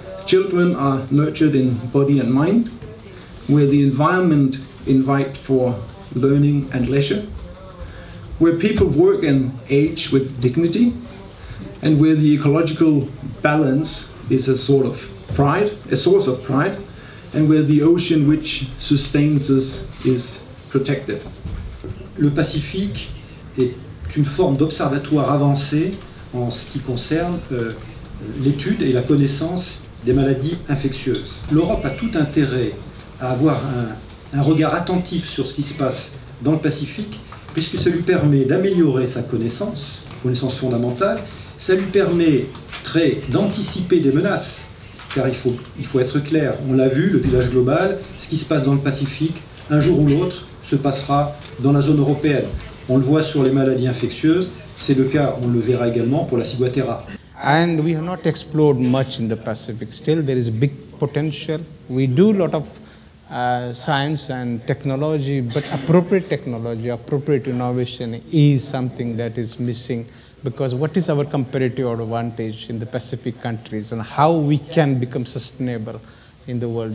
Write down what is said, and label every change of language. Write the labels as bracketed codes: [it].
[en] Children are nurtured in body and mind, where the environment invites for learning and leisure, where people work and age with dignity, and where the ecological balance is a sort of pride, a source of pride, and where the ocean which sustains us is protected. [fr] Le Pacifique est une forme d'observatoire avancé en ce qui concerne l'étude et la connaissance des maladies infectieuses. L'Europe a tout intérêt à avoir un regard attentif sur ce qui se passe dans le Pacifique, puisque ça lui permet d'améliorer sa connaissance fondamentale, ça lui permet d'anticiper des menaces, car il faut être clair, on l'a vu, le village global, ce qui se passe dans le Pacifique, un jour ou l'autre, se passera dans la zone européenne. On le voit sur les maladies infectieuses, c'est le cas, on le verra également pour la ciguatera. [en] And we have not explored much in the Pacific. Still, there is a big potential. We do a lot of science and technology, but appropriate technology, appropriate innovation is something that is missing. Because what is our comparative advantage in the Pacific countries and how we can become sustainable in the world?